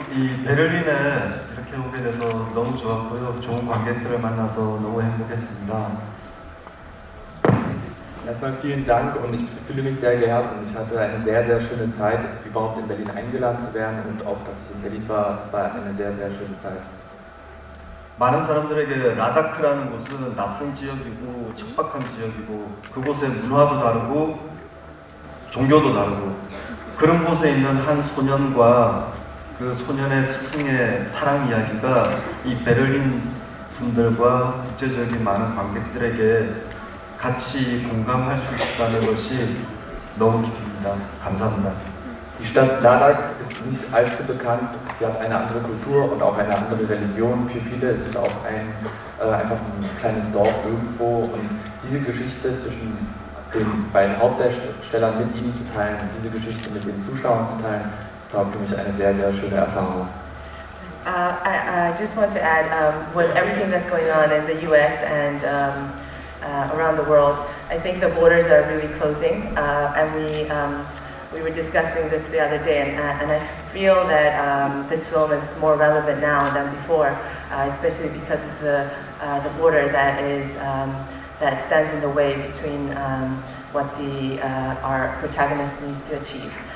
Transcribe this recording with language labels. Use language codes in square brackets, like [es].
[ko] 이 베를린에 이렇게 오게 돼서 너무 좋았고요. 좋은 관객들을 만나서 너무 행복했습니다. [de] Erstmal vielen Dank und ich fühle mich sehr geehrt und ich hatte eine sehr, sehr schöne Zeit, überhaupt in Berlin eingeladen zu werden und auch, dass ich in Berlin war, es war eine sehr, sehr schöne Zeit. [ko] 많은 사람들에게 라다크라는 곳은 낯선 지역이고 척박한 지역이고 그곳의 문화도 다르고 종교도 다르고 그런 곳에 있는 한 소년과 그 소년의 스승의 사랑 이야기가 이 베를린 분들과 국제적인 많은 관객들에게 같이 공감할 수 있다는 것이 너무 기쁩니다. 감사합니다. [de] Die Stadt Ladakh ist nicht allzu bekannt. Sie hat eine andere Kultur und auch eine andere Religion. Für viele ist es auch einfach ein kleines Dorf irgendwo. Und diese Geschichte zwischen den beiden Hauptdarstellern mit ihnen zu teilen, diese Geschichte mit den Zuschauern zu teilen, ist für mich eine sehr, sehr schöne Erfahrung. [en] I just want to add, with everything that's going on in the US and around the world, I think the borders are really closing, and we we were discussing this the other day, and I feel that this film is more relevant now than before, especially because of the border that is that stands in the way between what the our protagonist needs to achieve.